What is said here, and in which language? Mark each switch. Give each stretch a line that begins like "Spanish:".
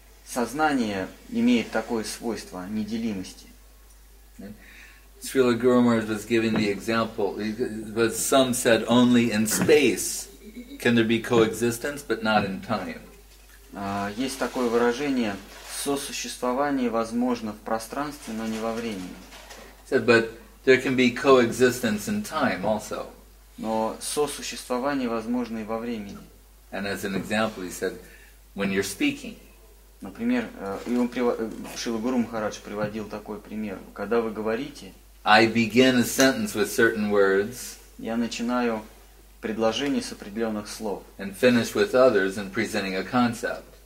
Russian: Сознание имеет такое свойство неделимости.
English: Srila Guru Maharaj was giving the example, but some said only in space can there be coexistence, but not in time.
Russian: Есть такое выражение. Сосуществование возможно в пространстве, но не во времени.
English: Said, but there can be coexistence in time also.
Russian: Но сосуществование возможно и во времени.
English: And as an example, he said, when you're speaking.
Russian: Например, и он Шрила Гуру Махарадж приводил такой пример. Когда вы говорите,
English: I begin a sentence with certain words.
Russian: Я начинаю предложение с определенных слов.
English: And finish with others and presenting a concept.